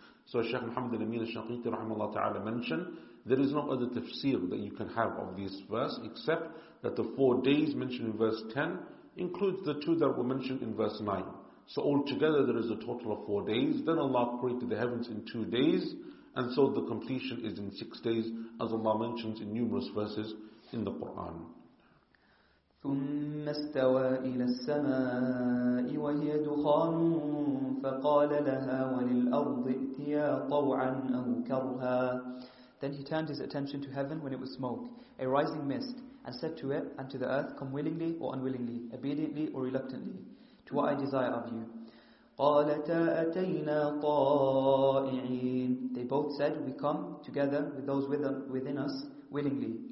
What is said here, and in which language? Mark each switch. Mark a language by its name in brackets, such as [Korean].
[English] So Shaykh Muhammad al-Amin al-Shaqiti rahimahullah ta'ala mentioned, there is no other tafsir that you can have of this verse except that the 4 days mentioned in verse 10 includes the two that were mentioned in verse 9. So altogether there is a total of 4 days. Then Allah created the heavens in 2 days, and so the completion is in 6 days, as Allah mentions in numerous verses in the Quran. [Arabic] ثم استوى إلى السماء وهي دخان فقال لها وللأرض ائتيا طوعا أو كرها. [English] Then he turned his attention to heaven when it was smoke, a rising mist, and said to it and to the earth, come willingly or unwillingly, obediently or reluctantly, to what I desire of you. [Arabic] قالتا أتينا طائعين. [English] They both said, we come together with those within us willingly.